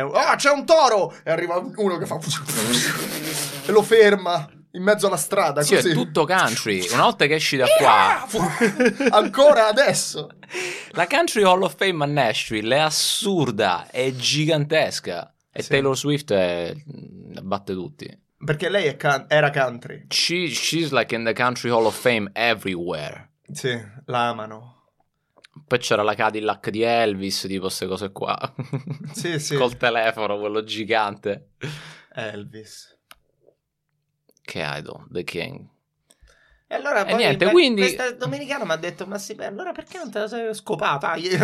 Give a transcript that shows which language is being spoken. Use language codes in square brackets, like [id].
[it] Ah, c'è un toro! E arriva uno che fa... e lo ferma. In mezzo alla strada, sì, così. È tutto country. Una volta che esci da qua... Ancora adesso? La Country Hall of Fame a Nashville è assurda, è gigantesca. E sì. Taylor Swift batte tutti. Perché lei era country. [en] She's like in the Country Hall of Fame everywhere. [it] Sì, la amano. Poi c'era la Cadillac di Elvis, tipo queste cose qua. Sì, sì. Col telefono, quello gigante. Elvis... Che idol, the king. E allora poi questa domenicano mi ha detto, ma sì, beh, allora perché non te la sei scopata?